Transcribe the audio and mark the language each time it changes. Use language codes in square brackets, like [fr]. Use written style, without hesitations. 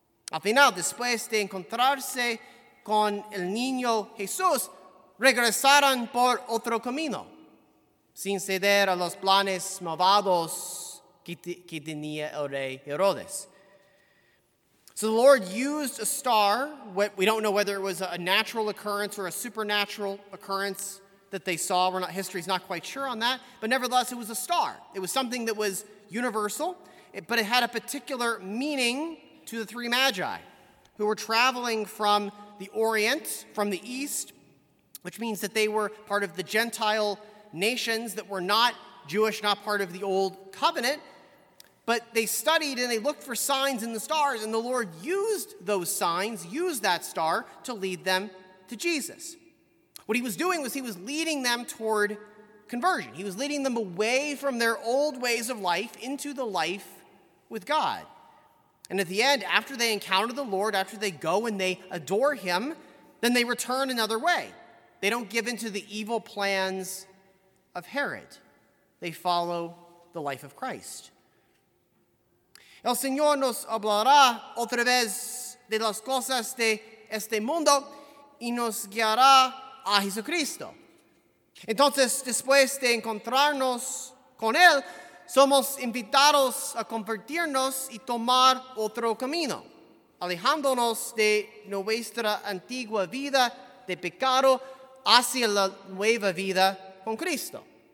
[es] Al final, después de encontrarse con el niño Jesús, regresaron por otro camino, sin ceder a los planes malvados que tenía el rey Herodes. [en] So the Lord used a star. We don't know whether it was a natural occurrence or a supernatural occurrence that they saw. History's not quite sure on that. But nevertheless, it was a star. It was something that was universal, but it had a particular meaning to the three magi who were traveling from the Orient, from the East, which means that they were part of the Gentile nations that were not Jewish, not part of the Old Covenant. But they studied and they looked for signs in the stars, and the Lord used those signs, used that star, to lead them to Jesus. What he was doing was he was leading them toward conversion. He was leading them away from their old ways of life into the life with God. And at the end, after they encounter the Lord, after they go and they adore him, then they return another way. They don't give in to the evil plans of Herod. They follow the life of Christ. [es] El Señor nos hablará otra vez de las cosas de este mundo y nos guiará a Jesucristo. Entonces, después de encontrarnos con Él, somos invitados a convertirnos y tomar otro camino, alejándonos de nuestra antigua vida de pecado hacia la nueva vida con Cristo.